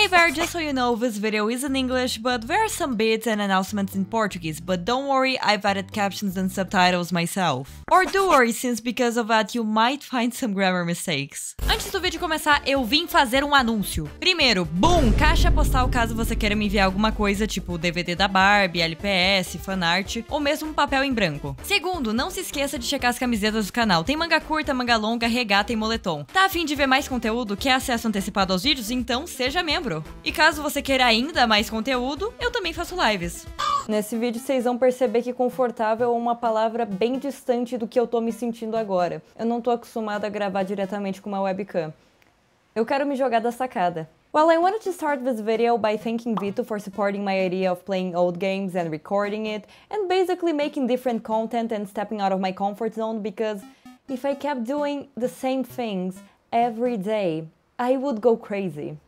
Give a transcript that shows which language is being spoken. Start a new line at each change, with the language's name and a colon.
English: fair, just so you know, this video is in English, but there are some bits and announcements in Portuguese, but don't worry, I've added captions and subtitles myself. Or do worry, since because of that you might find some grammar mistakes.
Portuguese: Antes do vídeo começar, eu vim fazer um anúncio. Primeiro, boom, caixa postal caso você queira me enviar alguma coisa, tipo DVD da Barbie, LPS, fanart, ou mesmo um papel em branco. Segundo, não se esqueça de checar as camisetas do canal, tem manga curta, manga longa, regata e moletom. Tá a fim de ver mais conteúdo? Quer acesso antecipado aos vídeos? Então seja membro! E caso você queira ainda mais conteúdo, eu também faço lives. Nesse vídeo vocês vão perceber que confortável é uma palavra bem distante do que eu tô me sentindo agora. Eu não tô acostumada a gravar diretamente com uma webcam. Eu quero me jogar da sacada.
English: Well, I wanted to start this video by thanking Vito for supporting my idea of playing old games and recording it, and basically making different content and stepping out of my comfort zone, because if I kept doing the same things every day, I would go crazy.